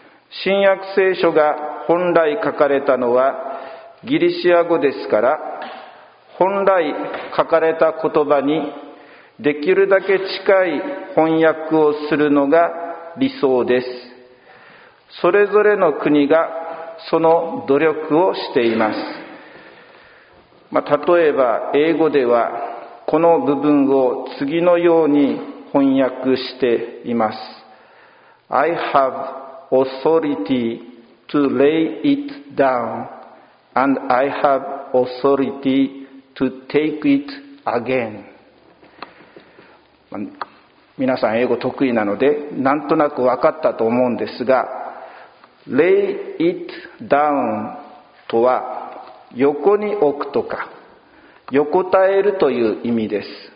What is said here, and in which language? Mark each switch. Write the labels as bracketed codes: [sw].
[ja] 新約聖書が本来書かれたのはギリシア語ですから、本来書かれた言葉にできるだけ近い翻訳をするのが理想です。それぞれの国がその努力をしています。例えば英語ではこの部分を次のように翻訳しています。 [en] I have authority to lay it down, and I have authority to take it again. [ja] 皆さん英語得意なので、なんとなく分かったと思うんですが、 [en] lay it down [ja] とは、横に置くとか、横たえるという意味です。